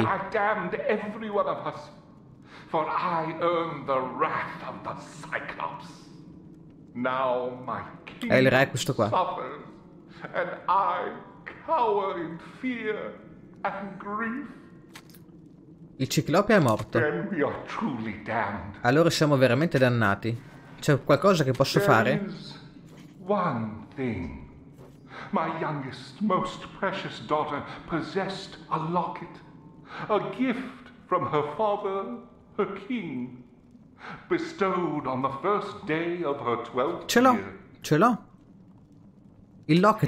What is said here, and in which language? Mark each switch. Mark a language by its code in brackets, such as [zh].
[en] I damned every one of us, for I earned the wrath of the Cyclops. Now my king suffers, and I cower in fear and grief. [it] Il ciclope è morto. [en] Then we are truly damned. [it] Allora siamo veramente dannati. C'è qualcosa che posso fare? [en] One thing. My youngest, most precious daughter possessed a locket, a gift from her father, her king, bestowed on the first day of her 12th year. [it] Ce l'ho, ce l'ho. Il locket,